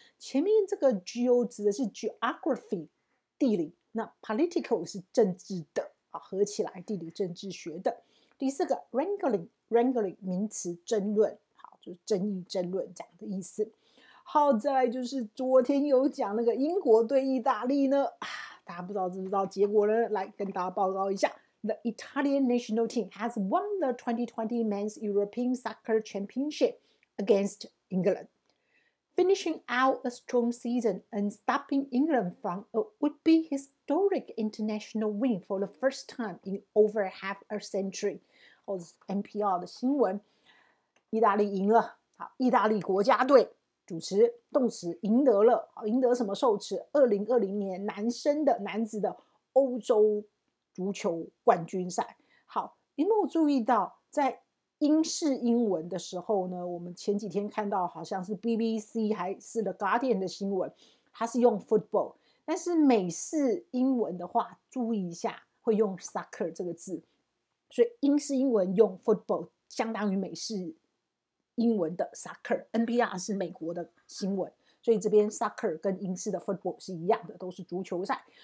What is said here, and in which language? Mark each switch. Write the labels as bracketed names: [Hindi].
[Chinese] 前面这个 geo 指的是 geography 地理，那 political 是政治的啊，合起来地理政治学的。第四个 wrangling 名词争论，好，就是争议争论这样的意思。好，再来就是昨天有讲那个英国对意大利呢，大家不知道知不知道结果呢？来跟大家报告一下 [English] ，The Italian national team has won the 2020 men's European soccer championship against England, finishing out a strong season and stopping England from a would-be historic international win for the first time in over half a century. [Chinese] 哦 ，NPR 的新闻，意大利赢了，好，意大利国家队。主持动词赢得了，赢得什么受持2020年男子的欧洲足球冠军赛。好，有没有注意到在英式英文的时候呢，我们前几天看到好像是 BBC 还是 The Guardian 的新闻，它是用 football， 但是美式英文的话注意一下会用 soccer 这个字，所以英式英文用 football 相当于美式英文的 soccer， NPR 是美国的新闻，所以这边 soccer 跟英式的 football 是一样的，都是足球赛。